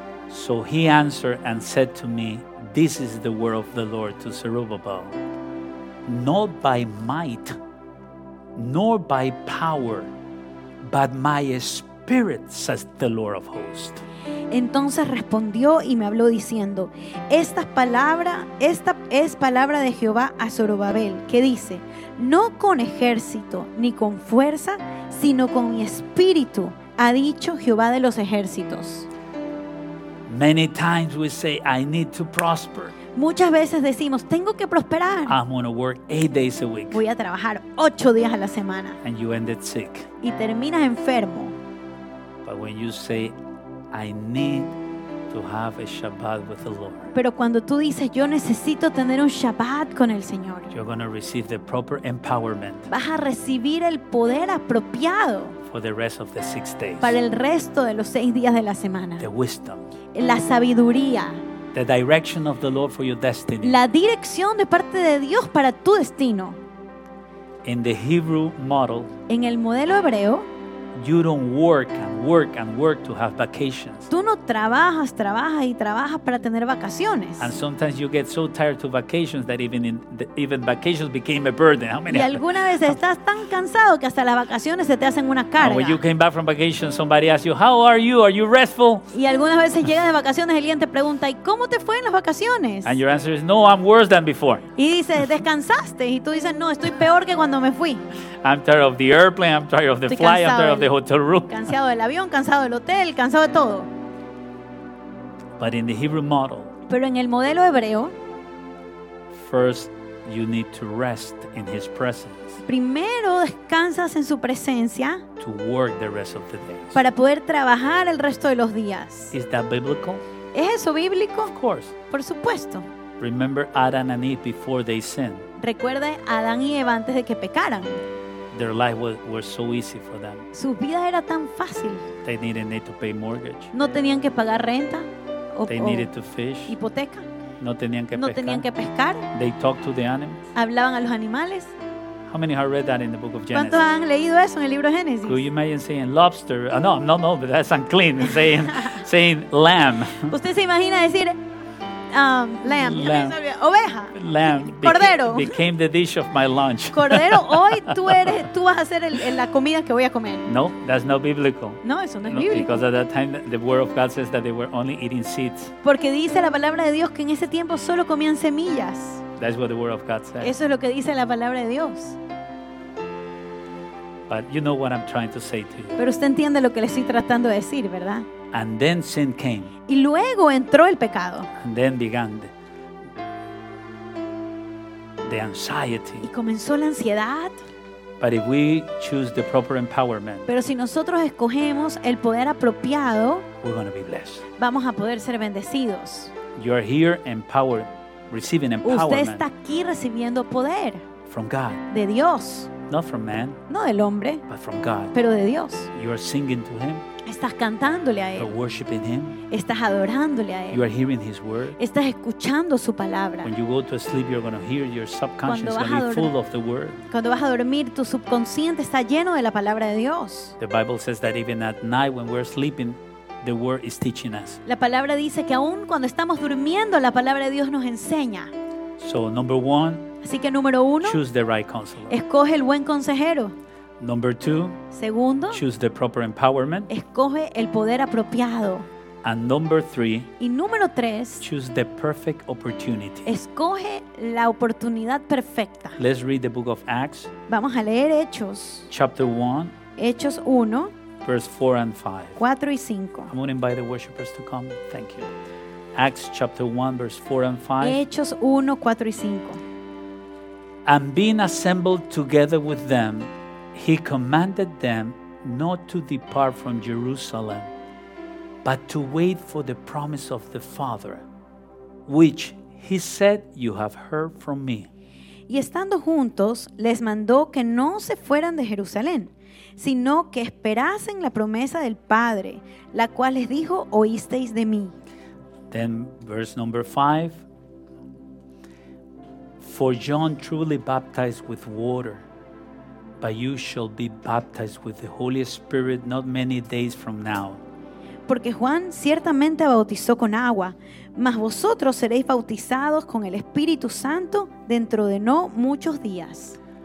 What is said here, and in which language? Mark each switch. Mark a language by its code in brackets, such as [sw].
[en] So he answered and said to me, "This is the word of the Lord to Zerubbabel. Not by might, nor by power, but my spirit, says the Lord of hosts." [es] Entonces respondió y me habló diciendo, esta es palabra de Jehová a Zorobabel, que dice, no con ejército ni con fuerza, sino con mi espíritu, ha dicho Jehová de los ejércitos. [en] Many times we say, I need to prosper. [es] Muchas veces decimos, tengo que prosperar. [en] I'm gonna work 8 days a week. [es] Voy a trabajar 8 días a la semana. [en] And you ended sick. [es] Y terminas enfermo. [en] But when you say, I need to have a Shabbat with the Lord. [es] Pero cuando tú dices, yo necesito tener un Shabbat con el Señor. [en] You're gonna receive the proper empowerment. [es] Vas a recibir el poder apropiado. [en] For the rest of the 6 days. [es] Para el resto de los 6 días de la semana. [en] The wisdom. [es] La sabiduría. [en] The direction of the Lord for your destiny. [es] La dirección de parte de Dios para tu destino. [en] In the Hebrew model. [es] En el modelo hebreo. [en] You don't work and work and work to have vacations. [es] Tú no trabajas, trabajas y trabajas para tener vacaciones. [en] And sometimes you get so tired to vacations that even vacations became a burden. How many? [es] Y alguna vez estás tan cansado que hasta las vacaciones se te hacen una carga. [en] And when you came back from vacation, somebody asked you, "How are you? Are you restful?" [es] Y algunas veces llegas de vacaciones y alguien te pregunta, "¿Y cómo te fue en las vacaciones?" [en] And your answer is, "No, I'm worse than before." [es] Y dices, "¿Descansaste?" Y tú dices, "No, estoy peor que cuando me fui." [en] I'm tired of the airplane. I'm tired of the flight. I'm tired of the hotel room. [es] Cansado del avión, cansado del hotel, cansado de todo. [en] But in the Hebrew model. [es] Pero en el modelo hebreo. [en] First, you need to rest in His presence. [es] Primero descansas en su presencia. [en] To work the rest of the days. [es] Para poder trabajar el resto de los días. [en] Is that biblical? [es] ¿Es eso bíblico? [en] Of course. [es] Por supuesto. [en] Remember Adam and Eve before they sinned. [es] Recuerde a Adán y Eva antes de que pecaran. [en] Their life was so easy for them. [es] Su vida era tan fácil. [en] They didn't need to pay mortgage. [es] No tenían que pagar renta. [en] They needed to fish. [es] Hipoteca. No tenían que pescar. [en] They talked to the animals. [es] Hablaban a los animales. [en] How many have read that in the book of Genesis? [es] ¿Cuántos han leído eso en el libro de Génesis? [en] Could you imagine saying lobster? No, but that's unclean. saying lamb. [es] ¿Usted se imagina decir lamb. Oveja. [en] Lamb. [es] Cordero. [en] Became the dish of my lunch. [es] Cordero, hoy tú vas a hacer la comida que voy a comer. [en] No, that's not biblical. [es] No, eso no es bíblico. [en] Because at that time the word of God says that they were only eating seeds. [es] Porque dice la palabra de Dios que en ese tiempo solo comían semillas. [en] That's what the word of God says. [es] Eso es lo que dice la palabra de Dios. [en] But you know what I'm trying to say to you. [es] Pero usted entiende lo que le estoy tratando de decir, ¿verdad? [en] And then sin came. [es] Y luego entró el pecado. [en] And then began the anxiety. [es] Y comenzó la ansiedad. [en] But if we choose the proper empowerment, [es] pero si nosotros escogemos el poder apropiado, [en] we're going to be blessed. [es] Vamos a poder ser bendecidos. [en] You are here empowered, receiving empowerment. [es] Usted está aquí recibiendo poder. [en] From God. [es] De Dios. [en] Not from man. [es] No del hombre. [en] But from God. [es] Pero de Dios. [en] You are singing to Him. [es] Estás cantándole a Él. [en] You're worshiping Him. [es] Estás adorándole a Él. [en] You are hearing His word. [es] Estás escuchando su palabra. [en] When you go to sleep, you're going to hear your subconscious going to be full of the word. [es] Cuando vas a dormir, tu subconsciente está lleno de la palabra de Dios. [en] The Bible says that even at night when we're sleeping, the word is teaching us. [es] La palabra dice que aún cuando estamos durmiendo, la palabra de Dios nos enseña. [en] So number one. [es] Así que número uno. [en] Choose the right counselor. [es] Escoge el buen consejero. [en] Number two, [es] segundo, [en] choose the proper empowerment. [es] Escoge el poder apropiado. [en] And number three, [es] y número tres, [en] choose the perfect opportunity. [es] Escoge la oportunidad perfecta. [en] Let's read the book of Acts. [es] Vamos a leer Hechos. [en] Chapter 1. [es] Hechos 1. [en] Verse 4 and 5. [es] 4 y 5. [en] I'm going to invite the worshipers to come. Thank you. Acts chapter 1, verse 4 and 5. [es] Hechos 1, 4 y 5. [en] And being assembled together with them, he commanded them not to depart from Jerusalem, but to wait for the promise of the Father, which he said, you have heard from me. [es] Y estando juntos, les mandó que no se fueran de Jerusalén, sino que esperasen la promesa del Padre, la cual les dijo, oísteis de mí. [en] Then verse number 5. For John truly baptized with water, but you shall be baptized with the Holy Spirit not many days from now. [es] Porque Juan ciertamente bautizó con agua, mas vosotros seréis bautizados con el Espíritu Santo dentro de no muchos días.